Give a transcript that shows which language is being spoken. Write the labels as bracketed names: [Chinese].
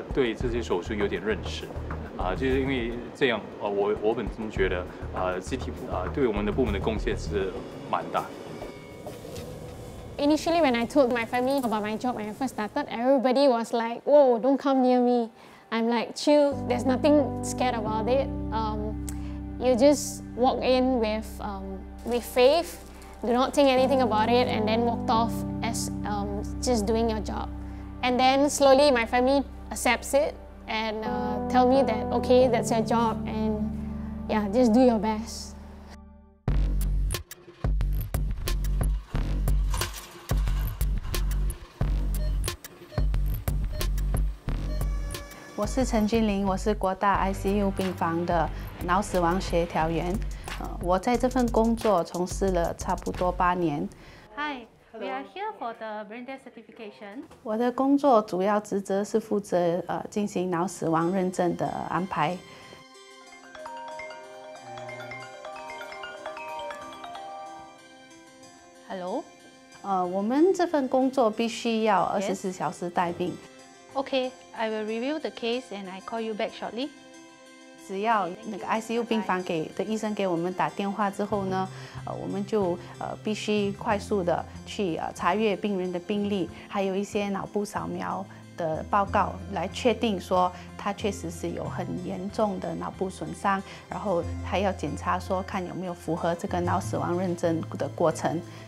[Chinese] 有些手术不是非常常见的手术，但是若是我们的受训的这些助医师没有这种机会在他们受训的过程中体验这个手术，我们也可以用在大体上用大体解剖来给他们对这些手术有点认识。就是因为这样，我本身觉得CT对我们的部门的贡献是蛮大。 [English] Initially, when I told my family about my job when I first started, everybody was like, "Whoa, don't come near me." I'm like, "Chill, there's nothing scared about it. You just walk in with faith, do not think anything about it, and then walked off as just doing your job." And then slowly, my family accepts it. And tell me that, okay, that's your job, and yeah, just do your best. I'm Chen Jinling, I'm the Guoda ICU [Chinese] 病房的脑死亡协调员。我在这份工作从事了差不多八年。 [English] Hi, We are here for the brain death certification. [Chinese] 我的工作主要职责是负责进行脑死亡认证的安排。 [English] Hello. [Chinese] 我们这份工作必须要24小时待命。 [English] Okay, I will review the case and I call you back shortly. [Chinese] 只要那个 ICU 病房给的医生给我们打电话之后呢，我们就必须快速的去查阅病人的病历，还有一些脑部扫描的报告，来确定说他确实是有很严重的脑部损伤，然后还要检查说看有没有符合这个脑死亡认证的过程。